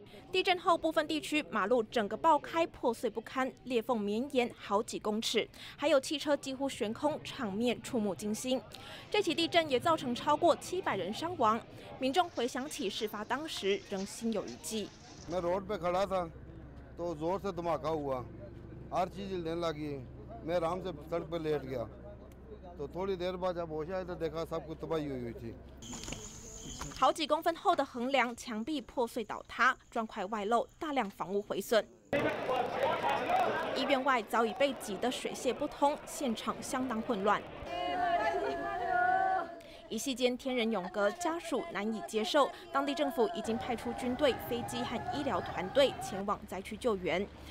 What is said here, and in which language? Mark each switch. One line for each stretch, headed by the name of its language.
Chinese: 地震后，部分地区马路整个爆开，破碎不堪，裂缝绵延好几公尺，还有汽车几乎悬空，场面触目惊心。这起地震也造成超过700人伤亡，民众回想起事发当时，仍心有余悸。
Hindi: मैं रोड पे खड़ा था, तो जोर से धमाका हुआ, हर चीज हिलने लगी, मैं आराम से सड़क पे लेट गया.
Chinese: 好几公分厚的横梁、墙壁破碎倒塌，砖块外露，大量房屋毁损。医院外早已被挤得水泄不通，现场相当混乱。一夕间天人永隔，家属难以接受。当地政府已经派出军队、飞机和医疗团队前往灾区救援。